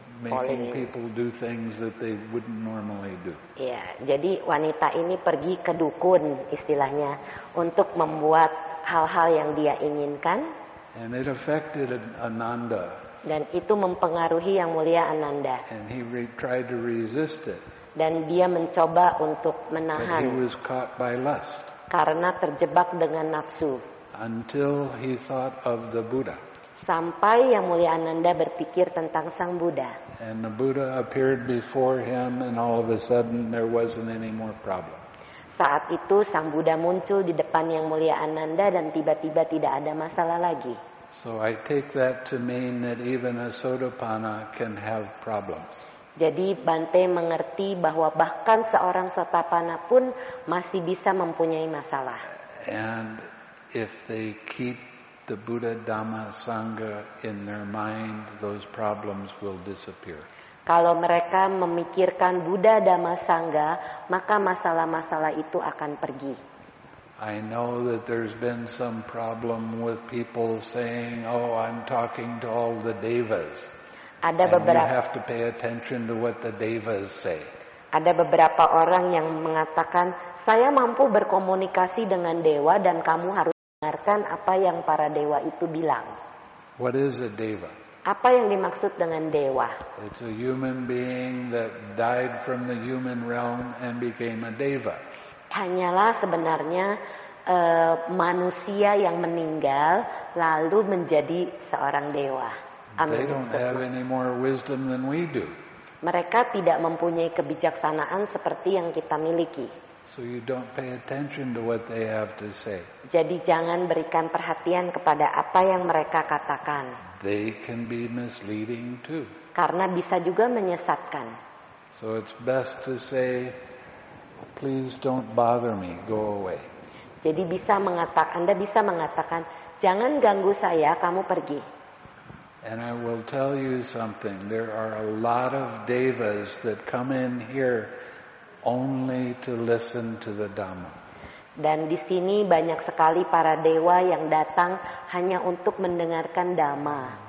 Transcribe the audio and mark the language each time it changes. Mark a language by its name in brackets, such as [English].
[English] making people do things that they wouldn't normally do. [Indonesian] Yeah, jadi wanita ini pergi ke dukun istilahnya untuk membuat hal-hal yang dia inginkan. [English] And it affected Ananda. [Indonesian] Dan itu mempengaruhi yang mulia Ananda. [English] And he tried to resist it. [Indonesian] Dan dia mencoba untuk menahan. [English] But he was caught by lust. [Indonesian] Karena terjebak dengan nafsu. [English] Until he thought of the Buddha. [Indonesian] Sampai Yang Mulia Ananda berpikir tentang Sang Buddha. [English] And the Buddha appeared before him, and all of a sudden there wasn't any more problem. [Indonesian] Saat itu Sang Buddha muncul di depan Yang Mulia Ananda dan tiba-tiba tidak ada masalah lagi. [English] So I take that to mean that even a sotapanna can have problems. [Indonesian] Jadi Bante mengerti bahwa bahkan seorang sotapanna pun masih bisa mempunyai masalah. [English] And if they keep the Buddha Dhamma Sangha in their mind, those problems will disappear. [Indonesian] Kalau mereka memikirkan Buddha Dhamma Sangha, maka masalah-masalah itu akan pergi. [English] I know that there's been some problem with people saying, "Oh, I'm talking to all the devas." [Indonesian] Ada beberapa. [English] You have to pay attention to what the devas say. [Indonesian] Ada beberapa orang yang mengatakan, "Saya mampu berkomunikasi dengan dewa dan kamu harus dengarkan apa yang para dewa itu bilang." [English] What is a deva? [Indonesian] Apa yang dimaksud dengan dewa? [English] It's a human being that died from the human realm and became a deva. [Indonesian] Hanyalah sebenarnya manusia yang meninggal lalu menjadi seorang dewa. [English] They don't have any more wisdom than we do. [Indonesian] Mereka tidak mempunyai kebijaksanaan seperti yang kita miliki. [English] So you don't pay attention to what they have to say. [Indonesian] Jadi jangan berikan perhatian kepada apa yang mereka katakan. [English] They can be misleading too. [Indonesian] Karena bisa juga menyesatkan. [English] So it's best to say, "Please don't bother me. Go away." [Indonesian] Jadi bisa mengatakan, Anda bisa mengatakan, "Jangan ganggu saya, kamu pergi." [English] And I will tell you something. There are a lot of devas that come in here only to listen to the Dhamma. [Indonesian] Dan di sini banyak sekali para dewa yang datang hanya untuk mendengarkan Dhamma.